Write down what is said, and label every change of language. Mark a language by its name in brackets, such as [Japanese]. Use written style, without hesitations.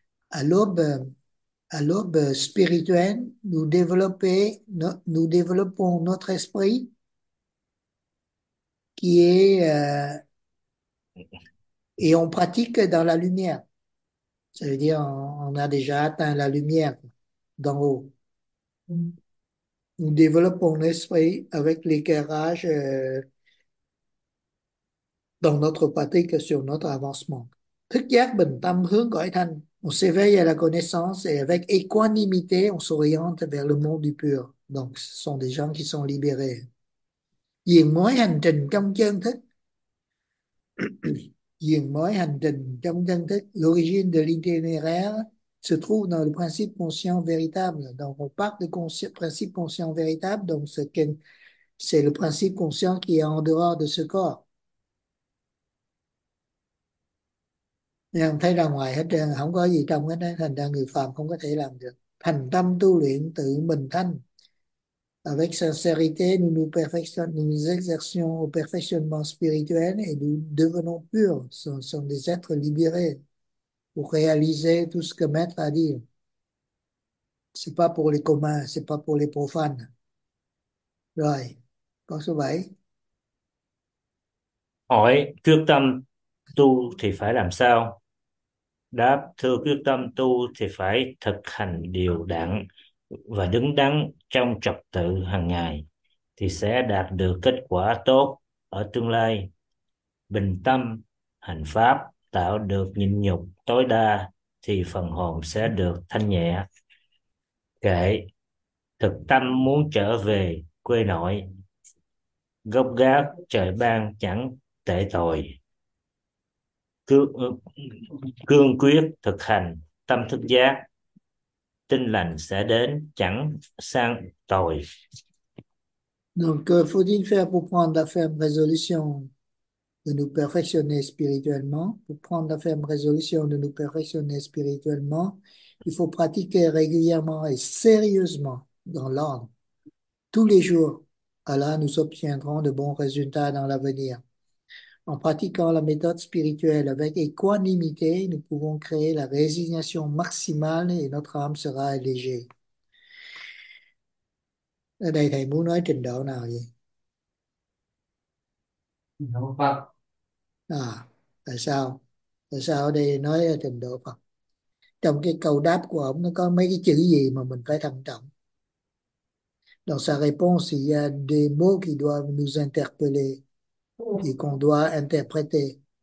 [French] À l'aube spirituelle, nous développons notre esprit qui est et on pratique dans la lumière. Ça veut dire on a déjà atteint la lumière d'en haut. Nous développons l'esprit avec l'éclairage dans notre pratique sur notre avancement. [Vietnamese] Thức giác bình tâm hướng cõi thanh. [French] On s'éveille à la connaissance et avec équanimité, on s'oriente vers le monde du pur. Donc, ce sont des gens qui sont libérés. [Vietnamese] Dìu mối hành trình trong chân thức. Dìu mối hành trình trong chân thức. [French] L'origine de l'itinéraire se trouve dans le principe conscient véritable. Donc, on part du principe conscient véritable. Donc, c'est le principe conscient qui est en dehors de ce corps. [Vietnamese] Nhưng thấy ra ngoài hết trơn, không có gì trong hết đó, thành ra người phàm không có thể làm được. Thành tâm tu luyện tự mình thanh. [French] Avec sincérité, nous exerçons au perfectionnement spirituel et nous devenons purs. Sont des êtres libérés pour réaliser tout ce que maître a dit. Ce n'est pas pour les communs, ce n'est pas pour les profanes. [Vietnamese] Rồi, con số 7. Hỏi quyết tâm tu thì phải làm sao? Đáp: thưa, quyết tâm tu thì phải thực hành điều đặn và đứng đắn trong trật tự hàng ngày thì sẽ đạt được kết quả tốt ở tương lai. Bình tâm hành pháp tạo được nhịn nhục tối đa thì phần hồn sẽ được thanh nhẹ. Kệ: thực tâm muốn trở về quê nội, gốc gác trời ban chẳng tệ tội. Cương quyết thực hành tâm thức giác, tinh lành sẽ đến chẳng sang tội. [French] Donc, faut-il faire pour prendre la ferme résolution de nous perfectionner spirituellement? Pour prendre la ferme résolution de nous perfectionner spirituellement, il faut pratiquer régulièrement et sérieusement dans l'ordre, tous les jours, Alors, nous obtiendrons de bons résultats dans l'avenir. En pratiquant la méthode spirituelle avec équanimité, nous pouvons créer la résignation maximale et notre âme sera allégée. [Vietnamese] Ở đây thầy muốn nói trình độ nào vậy? Đạo Phật. À, tại sao? Tại sao ở đây nói là trình độ Phật? Trong cái câu đáp của ông nó có mấy cái chữ gì mà mình phải thận trọng? [French] Dans sa réponse, il y a des mots qui doivent nous interpeller et qu'on doit interpréter.